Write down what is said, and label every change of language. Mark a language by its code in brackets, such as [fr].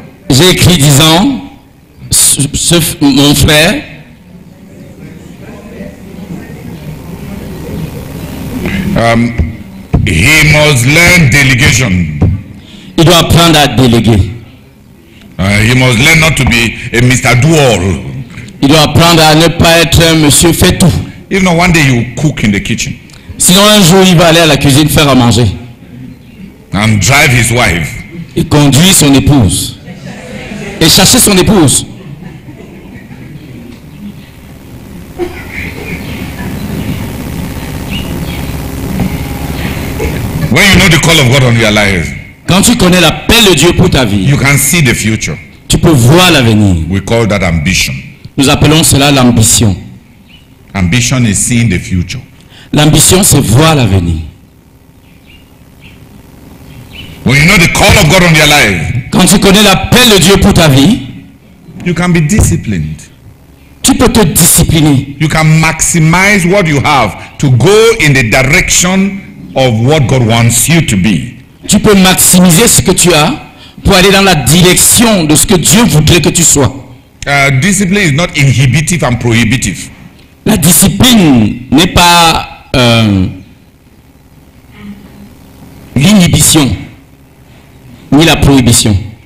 [fr] J'ai écrit disant, mon frère. [en] He must learn delegation. [fr] Il doit apprendre à déléguer. [en] He must learn not to be a Mr. Do-all. [fr] Il doit apprendre à ne pas être un monsieur fait tout. [en] If not one day you cook in the kitchen. [fr] Sinon un jour il va aller à la cuisine faire à manger. [en] And drive his wife. [fr] Et conduit son épouse. Et chasser son épouse. [en] When you know the call of God on your life. [fr] Quand tu connais l'appel de Dieu pour ta vie. [en] You can see the future. [fr] Tu peux voir l'avenir. [en] We call that ambition. [fr] Nous appelons cela l'ambition. [en] Ambition is seeing the future. [fr] L'ambition c'est voir l'avenir. [en] When you know the call of God on your life. [fr] Quand tu connais l'appel de Dieu pour ta vie. [en] You can be disciplined. [fr] Tu peux te discipliner. [en] You can maximize what you have to go in the direction of what God wants you to be. [fr] Tu peux maximiser ce que tu as pour aller dans la direction de ce que Dieu voudrait que tu sois. [en] Discipline is not inhibitive and prohibitive. [fr] La discipline n'est pas l'inhibition ni la prohibition.